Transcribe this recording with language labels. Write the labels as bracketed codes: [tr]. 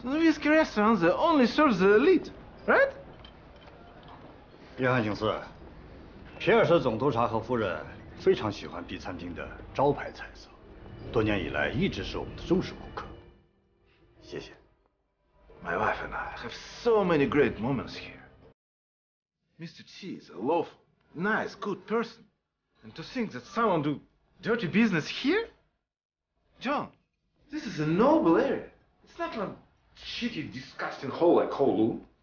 [en] The whiskey restaurants only serve the elite, right? [zh] 约翰琼斯，皮尔斯总督察和夫人非常喜欢 B 餐厅的招牌菜色，多年以来一直是我们的忠实顾客。谢谢。 [en] My wife and I have so many great moments here. Mr. Chi is a lawful, nice, good person. And to think that someone do dirty business here? John, this is a noble area. It's not like a shitty, disgusting hole like Kowloon.